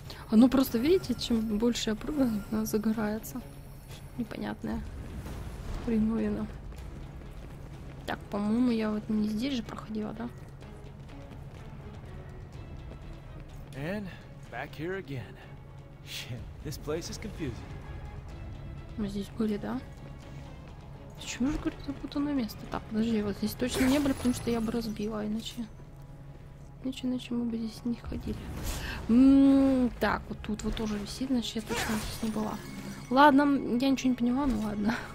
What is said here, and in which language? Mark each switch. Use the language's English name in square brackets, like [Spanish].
[Russian] Оно просто, видите, чем больше я прыгаю, оно загорается. Непонятное. Хреновина. Так, по-моему, я вот не здесь же проходила, да? [English] Back here again. Shit, this place is confusing. [Russian] Мы здесь были, да? Почему же, говорю, запутанное место? Так, подожди, вот здесь точно не были, потому что я бы разбила, иначе... Иначе мы бы здесь не ходили. Так, вот тут вот тоже висит, значит, я точно здесь не была. Ладно, я ничего не поняла, ну ладно.